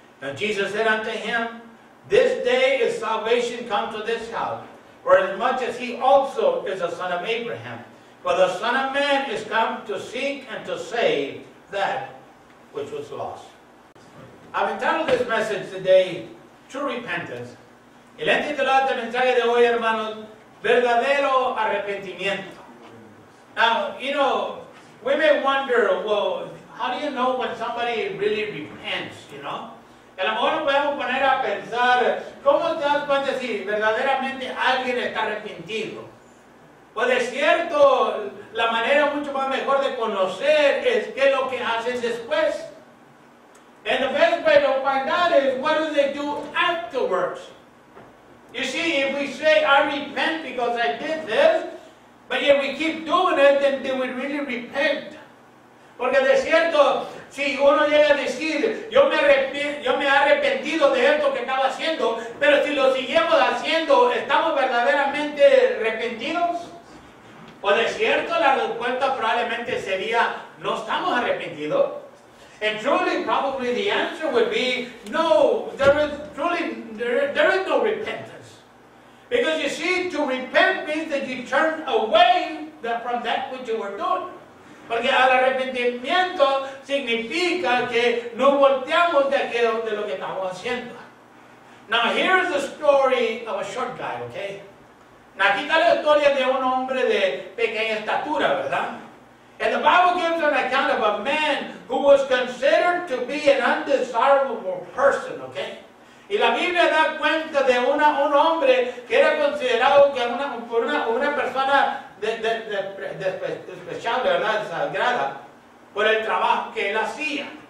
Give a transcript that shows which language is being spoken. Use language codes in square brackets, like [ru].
[en] And Jesus said unto him, This day is salvation come to this house, for as much as he also is a son of Abraham. For the Son of Man is come to seek and to save that which was lost. I've entitled this message today, True Repentance. [es] Y le he titulado este mensaje de hoy, hermanos, Verdadero Arrepentimiento. [en] Now, you know, we may wonder, well, how do you know when somebody really repents, you know? [es] A lo mejor nos podemos poner a pensar, ¿cómo te das cuenta si verdaderamente alguien está arrepentido? Pues es cierto, la manera mucho más mejor de conocer es qué es lo que haces después. [en] And the best way to find out is, what do they do afterwards? You see, if we say, I repent because I did this, but yet we keep doing it, then do we really repent? [es] Porque de cierto, si uno llega a decir, yo me he arrepentido de esto que estaba haciendo, pero si lo seguimos haciendo, ¿estamos verdaderamente arrepentidos? O de cierto, la respuesta probablemente sería, no estamos arrepentidos. [en] And truly, probably the answer would be, no, there is no repentance. Because you see, to repent means that you turn away from that which you were doing. [es] Porque el arrepentimiento significa que no volteamos de aquello de lo que estamos haciendo. [en] Now, here's the story of a short guy, okay? [es] Now, aquí está la historia de un hombre de pequeña estatura, ¿verdad? [en] And the Bible gives an account of a man who was considered to be an undesirable person, okay? [es] Y la Biblia da cuenta de un hombre que era considerado por una persona despreciable, ¿verdad? Desagrada por el trabajo que él hacía.